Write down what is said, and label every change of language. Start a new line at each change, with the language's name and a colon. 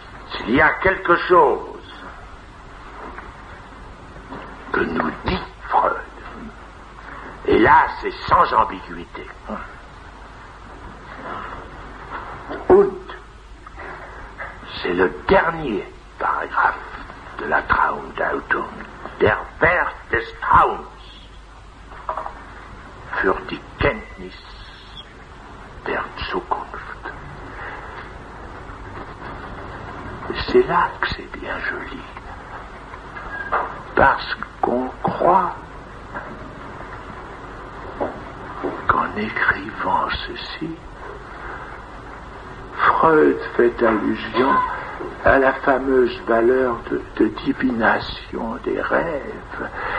French: S'il y a quelque chose que nous dit Freud, classe et sans ambiguïté. Und, c'est le dernier paragraphe de la Traumdeutung.
German: Der Wert des Traums für die Kenntnis der Zukunft.
French: C'est là que c'est bien joli. Parce qu'on croit qu'en écrivant ceci, Freud fait allusion à la fameuse valeur de divination des rêves.